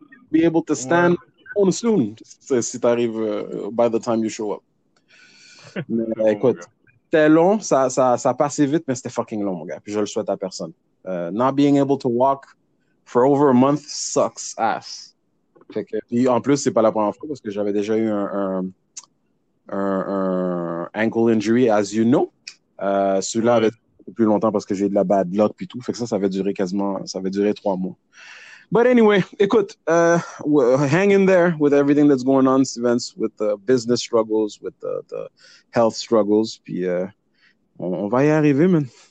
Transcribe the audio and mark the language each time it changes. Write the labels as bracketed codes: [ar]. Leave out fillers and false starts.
[en] Be able to stand on soon, [fr] si t'arrives [en] by the time you show up. [fr] Mais écoute. C'était long, ça passait vite, mais c'était fucking long, mon gars. Puis je le souhaite à personne. [en] Not being able to walk for over a month sucks ass. [fr] Fait que, puis en plus, c'est pas la première fois parce que j'avais déjà eu un [en] ankle injury, as you know. [fr] Celui-là avait duré plus longtemps parce que j'ai eu de la bad luck puis tout. Fait que ça avait duré 3 mois. [en] But anyway, écoute, hang in there with everything that's going on, Stevens, with the business struggles, with the health struggles, [fr] puis on va y arriver, [en] man.